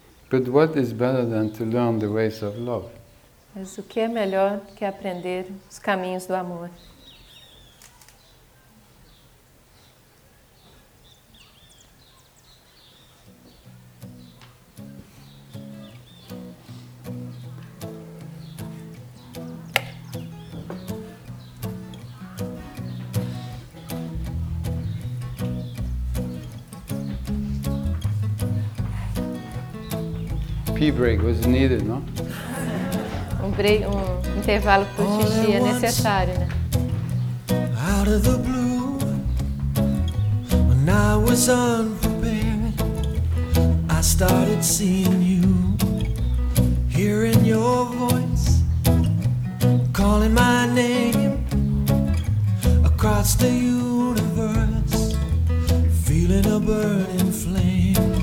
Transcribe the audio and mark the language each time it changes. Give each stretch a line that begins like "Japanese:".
English: But what is better than to learn the ways of love?
Portuguese: Mas o que é melhor que aprender os caminhos do amor?
English: Pee break was needed, no?
Portuguese: Um intervalo pro xixi é necessário, né?
English: Out of the blue, when I was unprepared, I started seeing you, hearing your voice, calling my name across the universe, feeling a burning flame.